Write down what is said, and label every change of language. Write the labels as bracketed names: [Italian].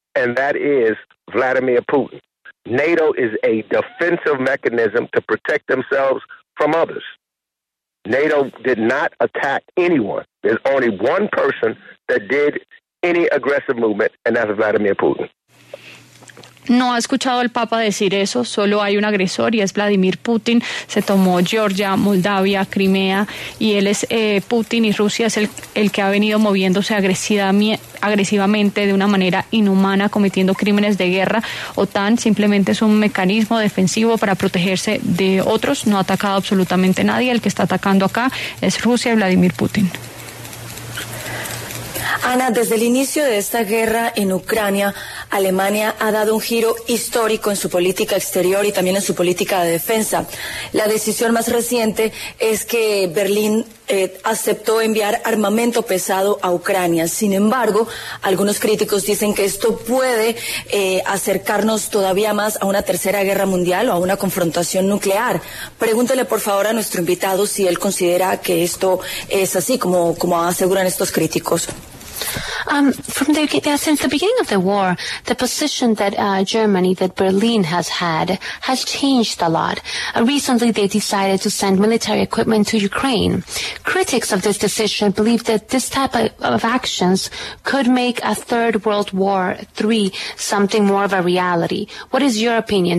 [English] And that is Vladimir Putin. NATO is a defensive mechanism to protect themselves from others. NATO did not attack anyone. There's only one person that did any aggressive movement, and that's Vladimir Putin. [Spanish] No ha escuchado al Papa decir eso, solo hay un agresor y es Vladimir Putin. Se tomó Georgia, Moldavia, Crimea y él es Putin y Rusia es el que ha venido moviéndose agresivamente de una manera inhumana cometiendo crímenes de guerra. OTAN simplemente es un mecanismo defensivo para protegerse de otros, no ha atacado absolutamente nadie. El que está atacando acá es Rusia y Vladimir Putin. Ana, desde el inicio de esta guerra en Ucrania, Alemania ha dado un giro histórico en su política exterior y también en su política de defensa. La decisión más reciente es que Berlín aceptó enviar armamento pesado a Ucrania. Sin embargo, algunos críticos dicen que esto puede acercarnos todavía más a una tercera guerra mundial o a una confrontación nuclear. Pregúntele, por favor, a nuestro invitado si él considera que esto es así, como aseguran estos críticos. [English] Since the beginning of the war, the position that Germany, that Berlin has had, has changed a lot. Recently, they decided to send military equipment to Ukraine. Critics of this decision believe that this type of actions could make a third World War III something more of a reality. What is your opinion?